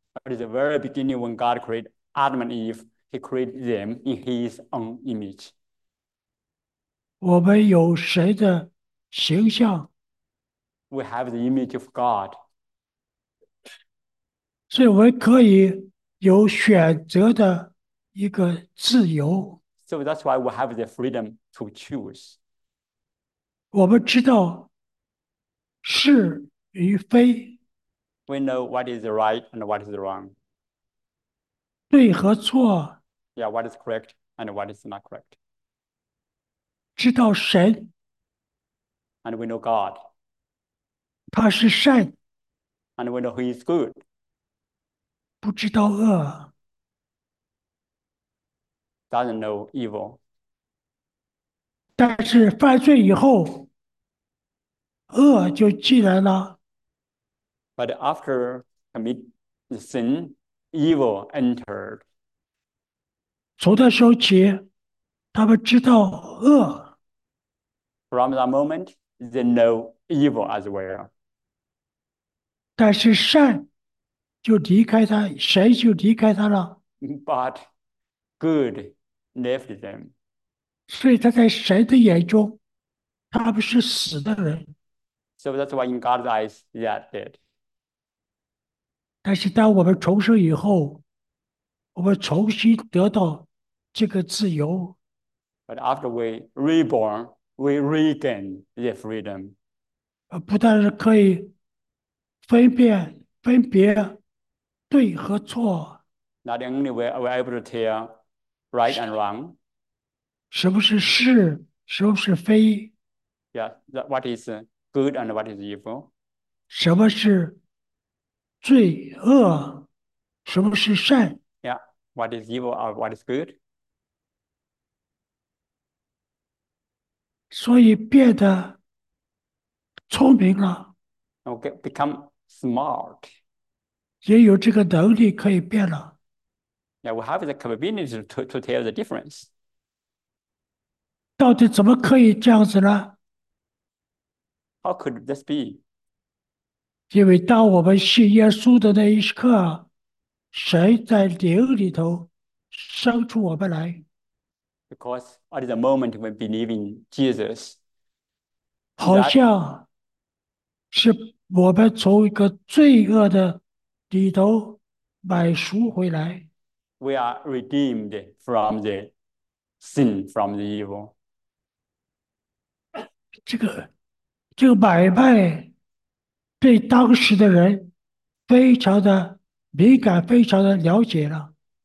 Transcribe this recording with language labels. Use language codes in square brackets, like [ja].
[en] At the very beginning, when God created Adam and Eve, He created them in His own image. [zh] 我们有谁的形象？ [en] We have the image of God. [zh] 所以我们可以有选择的一个自由。 [en] So that's why we have the freedom to choose. [zh] 我们知道是与非， [en] We know what is right and what is wrong. [zh] 对和错， [en] Yeah, what is correct and what is not correct. [zh] 知道神， [en] And we know God. [zh] 他是善。 [en] And we know He is good. [zh] 不知道恶， [en] Doesn't know evil. [zh] 但是犯罪以后，恶就进来了。 [en] But after commit the sin, evil entered. [zh] 从那时候起，他们知道恶， [en] From that moment, they know evil as well. [zh] 但是善。就离开他，谁就离开他了。 [en] But good left them. [zh] 所以他在神的眼中，他不是死的人。 [en] So that's why in God's eyes, they are dead. [zh] 但是当我们重生以后，我们重新得到这个自由。 [en] But after we reborn, we regain the freedom. [zh] 不但是可以分别。对和错， [en] Not only are we able to tell right and wrong. [zh] 什么是是，什么是非， [en] Yeah, what is good and what is evil? [zh] 什么是罪恶，什么是善， [en] Yeah, what is evil or what is good? [zh] 所以变得聪明了。 [en] Okay, become smart. [zh] 也有这个能力可以变了。 [en] Yeah, we have the capability to tell the difference. [zh] 到底怎么可以这样子呢？ [en] How could this be? [zh] 因为当我们信耶稣的那一刻，神在灵里头生出我们来， [en] Because at the moment when believing Jesus, [zh] 好像是我们从一个罪恶的。里头买赎回来， [en] We are redeemed from the sin, from the evil. [zh] 这个买卖对当时的人非常的敏感，非常的了解了。